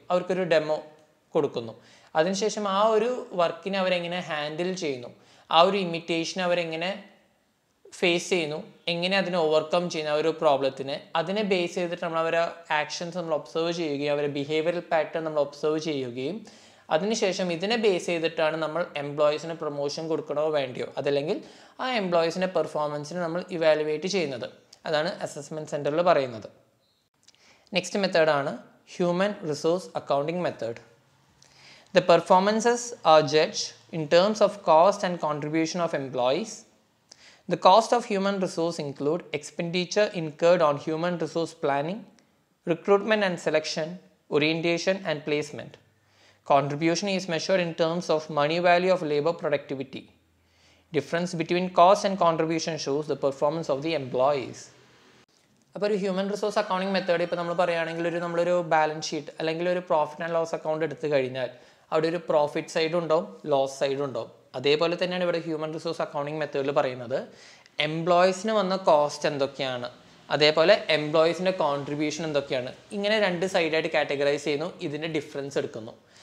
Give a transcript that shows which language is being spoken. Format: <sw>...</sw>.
<ml>അവർക്കൊരു ഡെമോ കൊടുക്കുന്നു. അതിനുശേഷം ആ ഒരു വർക്കിനെ അവരെങ്ങനെ ഹാൻഡിൽ ചെയ്യുന്നു, ആ ഒരു ഇമിറ്റേഷൻ അവരെങ്ങനെ ഫേസ് ചെയ്യുന്നു, എങ്ങനെ അതിനെ ഓവർകം ചെയ്യുന്നു, ആ ഒരു പ്രോബ്ലത്തിനെ, അതിനെ ബേസ് ചെയ്തിട്ട് നമ്മൾ അവരെ ആക്ഷൻസ് നമ്മൾ ഒബ്സർവ് ചെയ്യുകയും അവരെ ബിഹേവിയറൽ പാറ്റേൺ നമ്മൾ ഒബ്സർവ് ചെയ്യുകയും അതിനുശേഷം ഇതിനെ ബേസ് ചെയ്തിട്ടാണ് നമ്മൾ എംപ്ലോയീസിന് പ്രൊമോഷൻ കൊടുക്കണോ വേണ്ടയോ അതല്ലെങ്കിൽ ആ എംപ്ലോയീസിൻ്റെ പെർഫോമൻസിന് നമ്മൾ ഇവാലുവേറ്റ് ചെയ്യുന്നത്. അതാണ് അസസ്മെൻറ്റ് സെൻറ്ററിൽ പറയുന്നത്. നെക്സ്റ്റ് മെത്തേഡാണ് human resource accounting method.</ml> <en>The performances are judge in terms of cost and contribution of employees. The cost of human resource include expenditure incurred on human resource planning, recruitment and selection, orientation and placement. Contribution is measured in terms of money value of labor productivity. Difference between cost and contribution shows the performance of the employees.</en> <ml>അപ്പോൾ ഒരു human resource accounting method ഇപ്പോൾ നമ്മൾ പറയുകയാണെങ്കിൽ ഒരു നമ്മളൊരു balance sheet അല്ലെങ്കിൽ ഒരു profit and loss account എടുത്തു കഴിഞ്ഞാൽ അവിടെ ഒരു പ്രോഫിറ്റ് സൈഡുണ്ടോ ലോസ് സൈഡുണ്ടോ, അതേപോലെ തന്നെയാണ് ഇവിടെ ഹ്യൂമൻ റിസോഴ്സ് അക്കൗണ്ടിങ് മെത്തേഡിൽ പറയുന്നത്. എംപ്ലോയീസിന് വന്ന കോസ്റ്റ് എന്തൊക്കെയാണ്, അതേപോലെ എംപ്ലോയീസിൻ്റെ കോൺട്രിബ്യൂഷൻ എന്തൊക്കെയാണ്, ഇങ്ങനെ രണ്ട് സൈഡായിട്ട് കാറ്റഗറൈസ് ചെയ്യുന്നു, ഇതിൻ്റെ ഡിഫറൻസ് എടുക്കുന്നു.</ml>